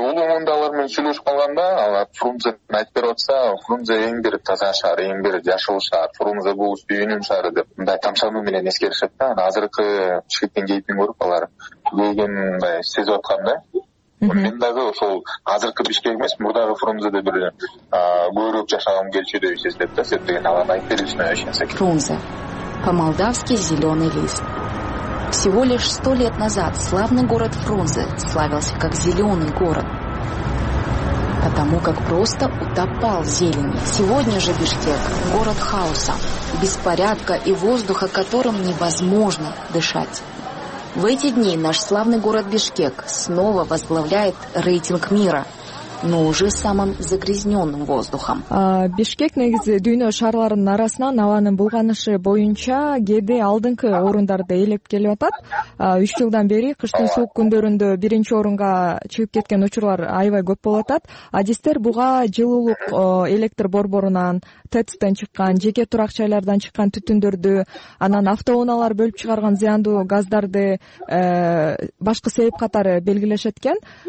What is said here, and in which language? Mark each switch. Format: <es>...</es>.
<ky>Улуу мундалар менен сүйлөшүп калганда алар Фрунзени айтып берип атса, Фрунзе эң бир таза шаар, эң бир жашыл шаар, Фрунзе бул сүйүүнүн шаары деп мындай тамшануу менен эскеришет да. Анан азыркы Бишкектин кейпин көрүп алар деген мындай сезип аткан да. Мен дагы ошол азыркы Бишкек эмес, мурдагы Фрунзеде бир көбүрөөк жашагым келчү деп сездеп да, себеп деген алардын айтып беришине ышансак керек. Фрунзе.</ky> <ru>По-молдавски зеленый лист. Всего лишь 100 лет назад славный город Фрунзе славился как зеленый город. Потому как просто утопал в зелени. Сегодня же Бишкек – город хаоса, беспорядка и воздуха, которым невозможно дышать. В эти дни наш славный город Бишкек снова возглавляет рейтинг мира, но уже самым загрязненным воздухом.</ru> <ky>Бишкек негизи дүйнө шаарларынын арасынан абанын булганышы боюнча кээде алдыңкы орундарды ээлеп келип атат. 3 жылдан бери кыштын суук күндөрүндө биринчи орунга чыгып кеткен учурлар аябай көп болуп атат. Адистер буга жылуулук электр борборунан, ТЭЦтен чыккан, жеке турак жайлардан чыккан түтүндөрдү, анан автоунаалар бөлүп чыгарган зыяндуу газдарды башкы себеп катары белгилешет экен.</ky>